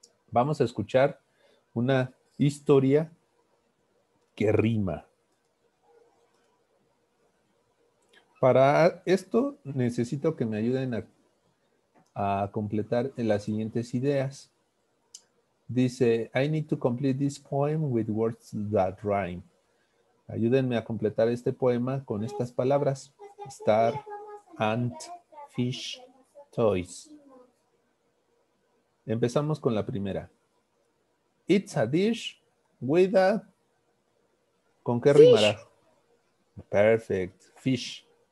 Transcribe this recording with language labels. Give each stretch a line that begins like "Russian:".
Spanish: Vamos a escuchar una historia que rima. Para esto necesito que me ayuden a completar las siguientes ideas. Dice,
English: I need to complete this poem with words that rhyme.
Spanish: Ayúdenme a completar este poema con estas palabras.
English: Star, ant, fish, toys.
Spanish: Empezamos con la primera.
English: It's a dish with a...
Spanish: ¿Con qué fish rimará?
English: Perfect. Fish.